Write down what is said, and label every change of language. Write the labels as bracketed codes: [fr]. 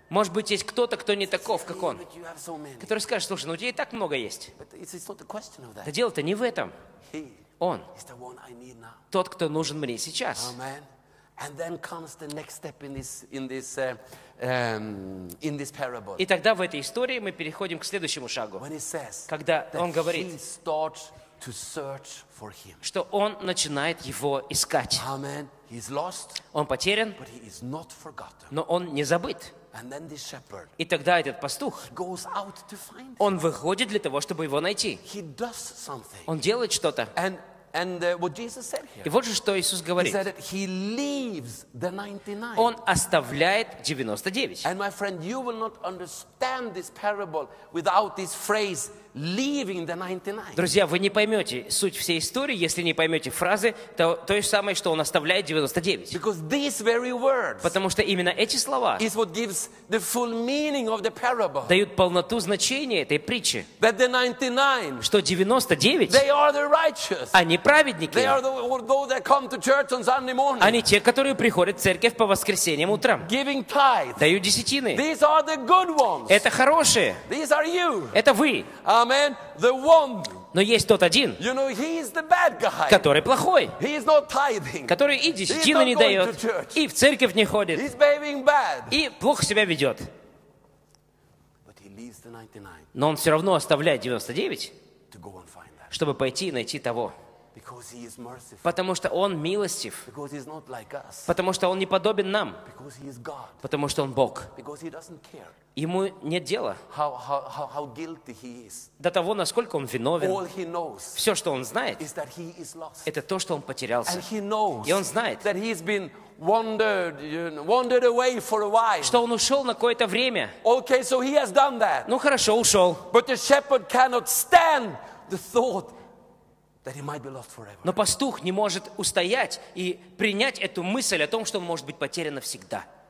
[ru] Может быть, есть кто-то, кто не таков, как он. [en] But you have so many. [ru] Который скажет, слушай, ну у тебя и так много есть. [en] But it's not the question of that. [ru] Да дело-то не в этом. [en] He. [ru] Он. Тот, кто нужен мне сейчас. [en] And then comes the next step in this parable. [ru] И тогда в этой истории мы переходим к следующему шагу. [en] When he says, [ru] когда он говорит, [en] he starts to search for him. [ru] Что он начинает его искать. [en] Amen. He's lost. [ru] Он потерян. [en] But he is not forgotten. [ru] Но он не забыт. [en] And then this shepherd. [ru] И тогда этот пастух. [en] Goes out to find him. [ru] Он выходит для того, чтобы его найти. [en] He does something. [ru] Он делает что-то. [en] And what Jesus said here. [ru] И вот же что Иисус говорит. [en] He said that he leaves the 99. [ru] Он оставляет 99. [en] And my friend, you will not understand this parable without this phrase leaving the 99. [ru] Друзья, вы не поймете суть всей истории, если не поймете фразы той самой, что он оставляет 99. [en] Because these very words. [ru] Потому что именно эти слова. [en] Is what gives the full meaning of the parable. [ru] Дают полноту значения этой притчи. [en] That the 99. [ru] Что 99. [en] They are the righteous. [ru] Они праведники. [en] They are those that come to church on Sunday morning. [ru] Они те, которые приходят в церковь по воскресеньям утром. [en] Giving tithes. [ru] Дают десятины. [en] These are the good ones. [ru] Это хорошие. [en] These are you. [ru] Это вы. [en] Amen. The one. [ru] Но есть тот один, [en] you know, he is the bad guy. [ru] Который плохой, [en] he is not tithing. [ru] Который и десятину не дает, и в церковь не ходит, [en] he's behaving bad. [ru] И плохо себя ведет. [en] But he leaves the 99. [ru] Но он все равно оставляет 99, [en] to go and find that. [ru] Чтобы пойти и найти того. [en] Because he is merciful. [ru] Потому что он милостив. [en] Because he is not like us. [ru] Потому что он не подобен нам. [en] Because he is God. [ru] Потому что он Бог. [en] Because he doesn't care. [ru] Ему нет дела. [en] How guilty he is. [ru] До того, насколько он виновен. [en] All he knows. [ru] Все, что он знает, [en] is that he is lost. [ru] Это то, что он потерялся. [en] And he knows. [ru] И он знает, [en] that he has been wandered, you know, wandered away for a while. [ru] Что он ушел на какое-то время. [en] Okay, so he has done that. [ru] Ну хорошо, ушел. [en] But the shepherd cannot stand the thought. That he might be lost forever. [ru] Но пастух не может устоять и принять эту мысль о том, что он может быть потерян навсегда.